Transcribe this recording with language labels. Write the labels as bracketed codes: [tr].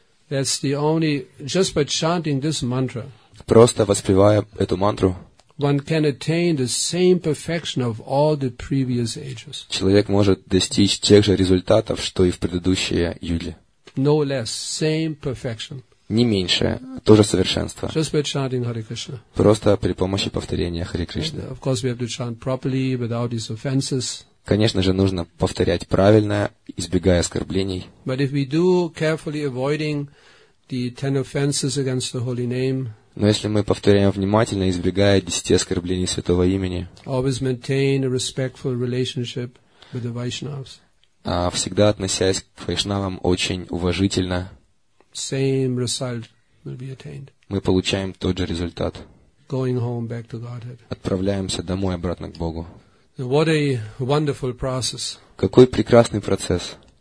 [en] That's the only, just by chanting this mantra. [ru] Просто воспевая эту мантру. [en] One can attain the same perfection of all the previous ages. [ru] Человек может достичь тех же результатов, что и в предыдущие юги. [en] No less, same perfection. [ru] Не меньше, то же совершенство. [en] Just by chanting Hare Krishna. [ru] Просто при помощи повторения Хари Кришны. [en] Of course, we have to chant properly without these offenses. [ru] Конечно же, нужно повторять правильно, избегая оскорблений. [en] But if we do carefully avoiding the 10 offenses against the holy name. [ru] Но если мы повторяем внимательно, избегая 10 оскорблений святого имени, [en] always maintain a respectful relationship with the Vaishnavas, [ru] всегда относясь к вайшнавам очень уважительно, [en] same result will be attained. [ru] Мы получаем тот же результат. [en] Going home back to Godhead. [ru] Отправляемся домой обратно к Богу. [en] What a wonderful process. [ru] Какой прекрасный процесс.